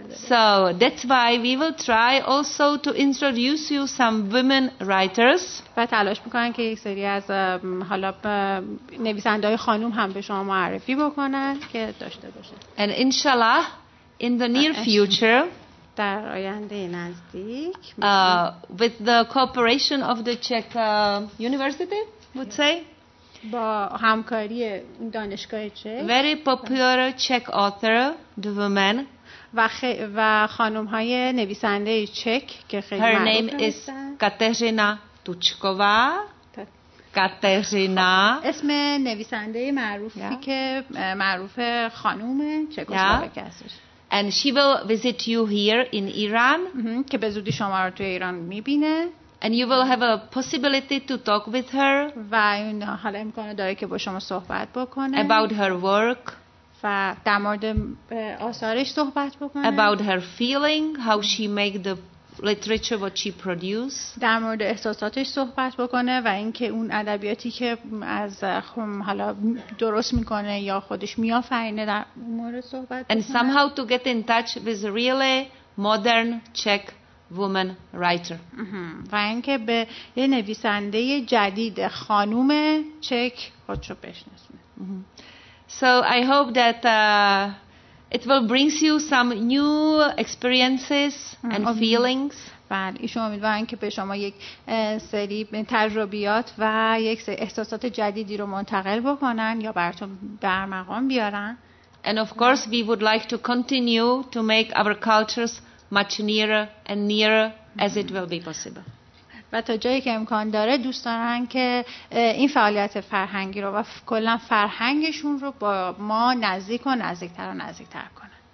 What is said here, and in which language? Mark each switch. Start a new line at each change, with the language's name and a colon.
English: So that's why we will try also to introduce you some women writers.
Persian: و تلاش میکنن که یک سری از حالا نویسنده های خانوم هم به شما معرفی بکنن که داشته باشن.
English: And inshallah, in the near future,
Persian: در آینده نزدیک,
English: with the cooperation of the Czech University, would say.
Persian: با همکاری دانشگاه چک.
English: Very popular Czech author, the woman.
Persian: و خانم های نویسنده چک که خیلی معروف.
English: Her name is Kateřina Tučková. Kateřina.
Persian: اسم نویسنده معروفی که معروف خانم چکسلواکی هستش.
English: And she will visit you here in Iran.
Persian: که به زودی شما رو توی ایران میبینه.
English: And you will have a possibility to talk with her.
Persian: و اون حالا امکان داره که با شما صحبت بکنه.
English: About her work.
Persian: و در مورد آثارش صحبت بکنه.
English: About her feeling, how she make the literature what she produce.
Persian: در مورد احساساتش صحبت بکنه و اینکه اون ادبیاتی که از خودم حالا درست میکنه یا خودش میآفرینه در مورد صحبت.
English: And somehow to get in touch with really modern Czech woman writer.
Persian: و اینکه به یه نویسنده جدید خانوم چک خودشو بشناسونه.
English: So I hope that it will bring you some new experiences and feelings.
Persian: بله، ایشون امیدوارن که به شما یک سری تجربیات و یک سری احساسات جدیدی رو منتقل بکنن یا براتون برمقام بیارن.
English: And of course we would like to continue to make our cultures much nearer and nearer as it will be possible.
Persian: و تا جایی که امکان داره دوست دارن که این فعالیت فرهنگی رو و کلا فرهنگشون رو با ما نزدیک و نزدیکتر و نزدیکتر کنن.